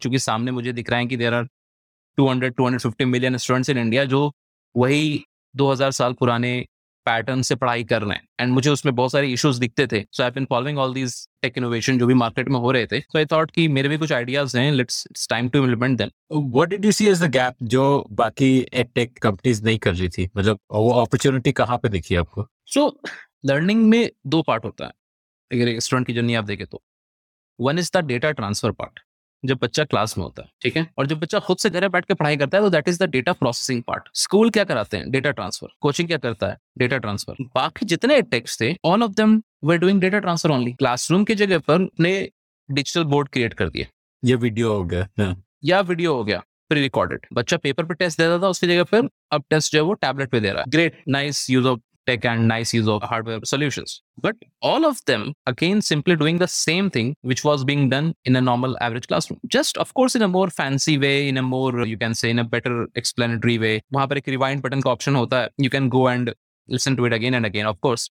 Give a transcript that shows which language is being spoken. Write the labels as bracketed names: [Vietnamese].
[English] Because in front of me, there are 200-250 million students in India who are studying from the same 2000 years old pattern. And I saw a lot of issues in that. So I've been following all these tech innovations which were in the market. So I thought that there are some ideas. It's time to implement them. What did you see as the gap that the rest of tech companies didn't do? Where did you see the opportunity? [Hindi] So learning में दो part होता है अगर student की journey आप देखें तो. [English] one is the data transfer part, [Hindi] जब बच्चा क्लास में होता है, ठीक है, और जब बच्चा खुद से घर बैठ के पढ़ाई करता है तो [English] That is the data processing part. [Hindi] School क्या कराते हैं? Data transfer. कोचिंग क्या करता है? Data transfer. बाकी जितने टेक्स थे, [English] All of them were doing data transfer only. [Hindi] Classroom की जगह पर ने डिजिटल बोर्ड क्रिएट कर दिए, या वीडियो हो गया, या वीडियो हो गया प्री रिकॉर्डेड. बच्चा पेपर पर टेस्ट देता था, उसकी जगह पर अब टेस्ट जो है वो टैबलेट पर दे रहा है. [English] Great, nice use of tech and nice use of hardware solutions. But all of them, again, simply doing the same thing which was being done in a normal average classroom. Just, of course, in a more fancy way, in a more, you can say, in a better explanatory way. [Hindi] वहाँ पर एक rewind button का option होता है. [English] You can go and listen to it again and again, of course.